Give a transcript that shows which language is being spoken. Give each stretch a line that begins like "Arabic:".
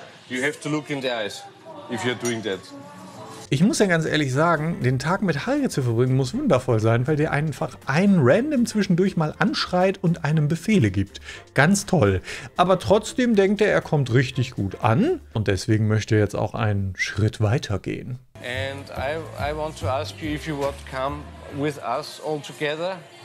English: You have to look in the eyes, if you're doing that.
German: Ich muss ja ganz ehrlich sagen, den Tag mit Harry zu verbringen muss wundervoll sein, weil der einfach einen random zwischendurch mal anschreit und einem Befehle gibt. Ganz toll. Aber trotzdem denkt er kommt richtig gut an. Und deswegen möchte er jetzt auch einen Schritt weiter gehen.
English: And I want to ask you if you would come with us all together.